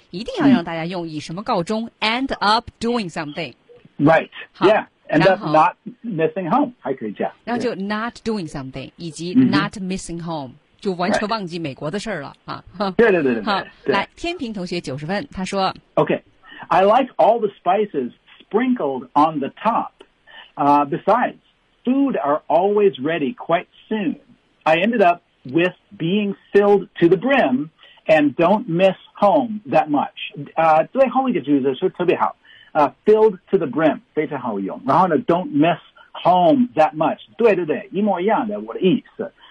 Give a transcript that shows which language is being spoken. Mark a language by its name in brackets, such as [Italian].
[Chinese] 一定要让大家用以什么告终、mm-hmm. [English] end up doing something right yeah end up not missing home [Chinese] 还可以这样，然后就 not doing something 以及 [English] not missing home、 [Chinese] mm-hmm. 就完全忘记美国的事了、 right. 啊、对对对对，好对，来天平同学九十分，他说 [English] OK I like all the spicesSprinkled on the top. Besides, food are always ready quite soon. I ended up with being filled to the brim and don't miss home that much. [Chinese] 最后一个句子是特别好。 [English] Filled to the brim, [Chinese] 非常好用。然后呢 [English] don't miss home that much. [Chinese] 对对对，一模一样的我的意思。